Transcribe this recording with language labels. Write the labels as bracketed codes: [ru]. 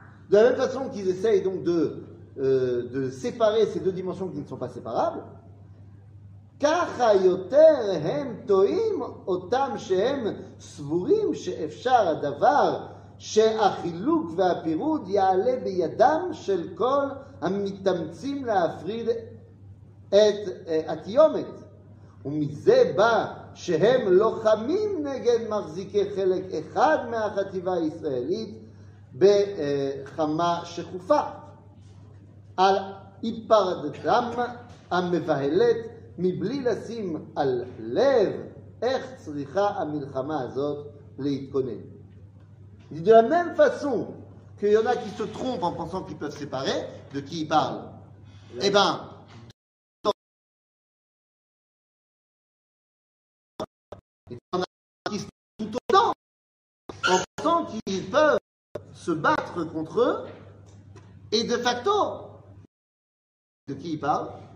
[fr] De la même façon qu'ils essayent donc de séparer ces deux dimensions qui ne sont pas séparables. [he] ככה יותר הם טועים אותם שהם סבורים שאפשר הדבר שהחילוק והפירוד יעלה בידם של כל המתאמצים להפריד את התיומת. ומזה בא שהם לוחמים נגד מחזיקי חלק אחד מהחטיבה הישראלית בחמה שחופה. על היפרדתם המבהלת מבלי לשים על לב איך צריכה המלחמה הזאת להתכונן. [fr] De la même façon qu'il y en a qui se trompent en pensant qu'ils peuvent séparer, de qui ils parlent. Eh bien, il y en a qui se trompent tout autant en pensant qu'ils peuvent se battre contre eux et de facto, de qui ils parlent.